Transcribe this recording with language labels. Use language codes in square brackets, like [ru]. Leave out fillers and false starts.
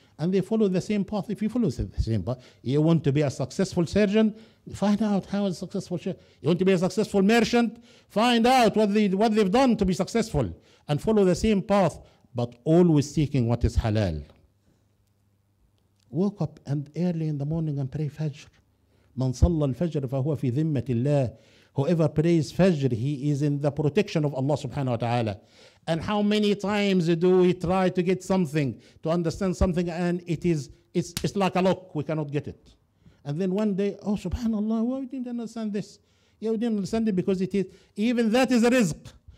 [en] And they follow the same path. If you follow the same path, you want to be a successful surgeon, find out how a successful surgeon. You want to be a successful merchant, find out what they've done to be successful. And follow the same path, but always seeking what is halal. Woke up and early in the morning and pray Fajr. [ar] من صلى الفجر فهو في ذمة الله. [en] Whoever prays Fajr, he is in the protection of Allah subhanahu wa ta'ala. And how many times do we try to get something, to understand something, and it's like a lock, we cannot get it. And then one day, oh subhanallah, why we didn't understand this? Yeah, we didn't understand it because it is, even that is a rizq.